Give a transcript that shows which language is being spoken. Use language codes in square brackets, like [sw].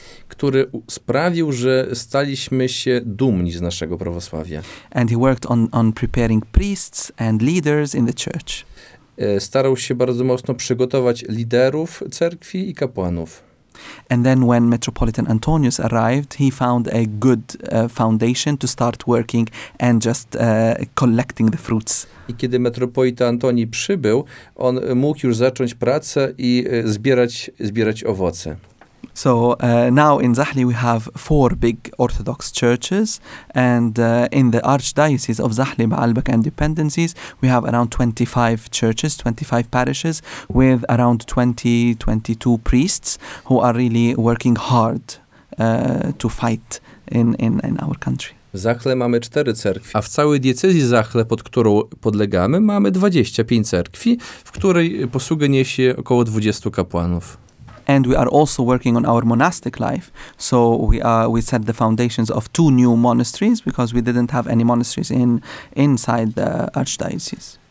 [pl] Który sprawił, że staliśmy się dumni z naszego prawosławia. [en] And he worked on preparing priests and leaders in the church. [pl] Starał się bardzo mocno przygotować liderów cerkwi i kapłanów. [en] And then when Metropolitan Antonius arrived, he found a good foundation to start working and just collecting the fruits. [pl] I kiedy metropolita Antoni przybył, on mógł już zacząć pracę i zbierać owoce. [en] So now in Zahle we have four big Orthodox churches, and in the Archdiocese of Zahle, Baalbek and Dependencies, we have around 25 churches, 25 parishes, with around 22 priests who are really working hard to fight in our country. [pl] W Zahle mamy cztery cerkwi, a w całej diecezji Zahle, pod którą podlegamy, mamy 25 cerkwi, w której posługę niesie około 20 kapłanów. [en] And we are also working on our monastic life. So we set the foundations of two new monasteries because we didn't have any monasteries inside the archdiocese.